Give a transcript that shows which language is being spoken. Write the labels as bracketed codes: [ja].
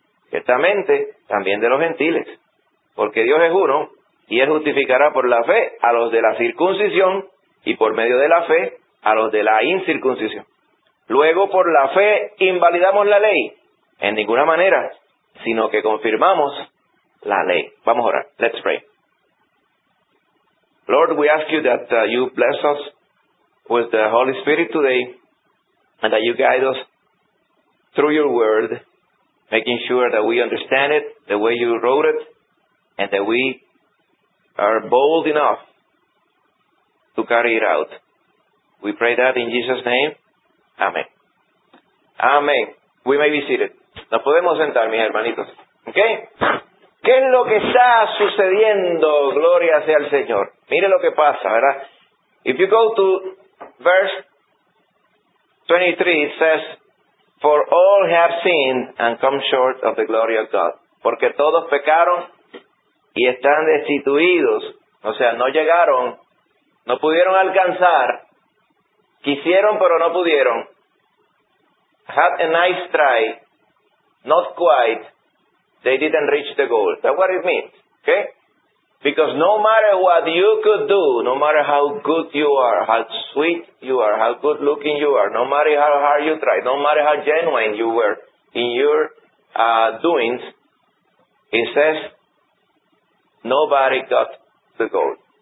[es] Ciertamente, también de los gentiles. Porque Dios es uno, y Él justificará por la fe a los de la circuncisión, y por medio de la fe a los de la incircuncisión. Luego, por la fe, invalidamos la ley. En ninguna manera, sino que confirmamos la ley. Vamos a orar. [en] Let's pray. Lord, we ask you that you bless us with the Holy Spirit today, and that you guide us through your word, making sure that we understand it the way you wrote it, and that we are bold enough to carry it out. We pray that in Jesus' name. [es] Amén. Amén. [en] We may be seated. [es] Nos podemos sentar, mis hermanitos. ¿Okay? ¿Qué es lo que está sucediendo? Gloria sea al Señor. Mire lo que pasa, ¿verdad? [en] If you go to verse 23, it says, for all have sinned and come short of the glory of God. [es] Porque todos pecaron y están destituidos. O sea, no llegaron, no pudieron alcanzar. Quisieron, pero no pudieron. [en] Had a nice try. Not quite. They didn't reach the goal. That's what it means. Okay? Because no matter what you could do, no matter how good you are, how sweet you are, how good looking you are, no matter how hard you tried, no matter how genuine you were in your doings, he says, nobody got the goal.